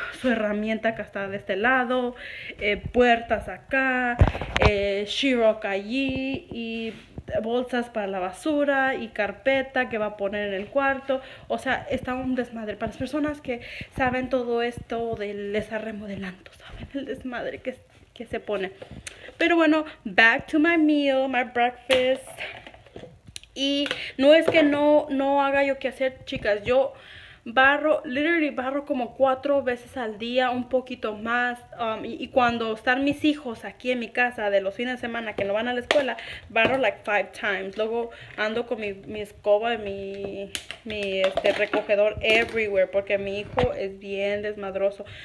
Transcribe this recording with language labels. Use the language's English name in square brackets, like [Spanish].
[Spanish] Su herramienta acá está de este lado, puertas acá, She-Rock allí y bolsas para la basura y carpeta que va a poner en el cuarto. O sea, está un desmadre. Para las personas que saben todo esto de estar remodelando, saben el desmadre que se pone. Pero bueno, [English] back to my meal, my breakfast. [Spanish] Y no es que no haga yo qué hacer, chicas. Yo barro, literally barro como 4 veces al día, un poquito más. Y cuando están mis hijos aquí en mi casa de los fines de semana que no van a la escuela, barro [English] like 5 times. [Spanish] Luego ando con mi escoba y mi recogedor everywhere porque mi hijo es bien desmadroso.